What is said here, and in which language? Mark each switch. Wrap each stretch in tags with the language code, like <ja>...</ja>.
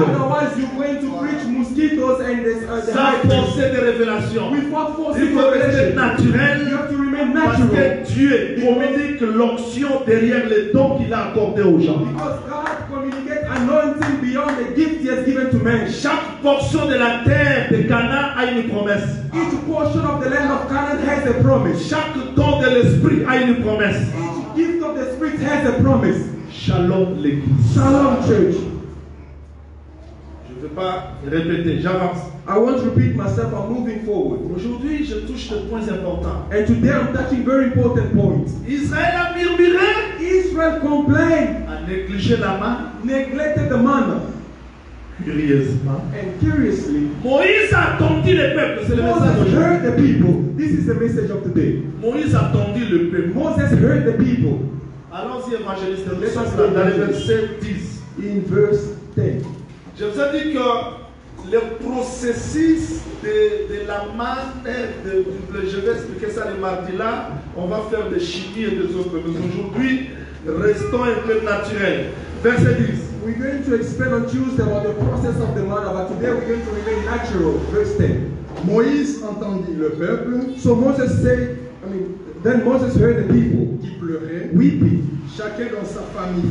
<en>Otherwise, you're going to preach mosquitoes and the</en> <fr>sans forcer des révélations.</fr> <en>Without forcing</en> <fr>revelations. Il faut rester naturel.</fr> <en>You have to remain natural.</en> <fr>Parce que Dieu communique l'onction derrière les dons qu'il a accordés aux gens.</fr> <en>Because God communicates anointing beyond the gift he has given to men.</en> <fr>Chaque portion de la terre de Canaan a une promesse.</fr> <en>Each portion of the land of Canaan has a promise.</en> <fr>Chaque don de l'esprit a une promesse.</fr> <en>Each gift of the spirit has a promise.</en> <fr>Shalom l'église.</fr> <en>Shalom church.</en> <fr>Je ne veux pas répéter, j'avance.</fr> <en>I want to repeat myself, I'm moving forward.</en> <fr>Aujourd'hui, je touche des points importants.</fr> <en>And today I'm touching very important points.</en> <fr>Israël a murmuré.</fr> <en>Israel complained.</en> <fr>Négligé la main.</fr> <en>Neglected the manna.</en> <fr>Curieusement.</fr> <en>And curiously.</en> <fr>Moïse a attendu le peuple. C'est le message.</fr> <en>Moses heard the people. This is the message of today.</en> <fr>Moïse a attendu le peuple.</fr> <en>Moses heard the people.</en> <fr>Allons-y, évangéliste.</fr> <en>Let us go.</en> <fr>Dans le verset 10.</fr> <en>In verse 10.</en> <fr>Je vous ai dit que le processus de la manne, je vais expliquer ça le mardi là. On va faire des chimies et des autres. Mais aujourd'hui, restons un peu naturels. Verset 10.</fr> <en>We're going to explain on Tuesday about the process of the manna, but today we're going to remain natural. Verse 10.</en> <fr>Moïse entendit le peuple.</fr> <en>So Moses said, then Moses heard the people</en> <fr>qui pleuraient,</fr> <en>weeping,</en> <fr>chacun dans sa famille,</fr>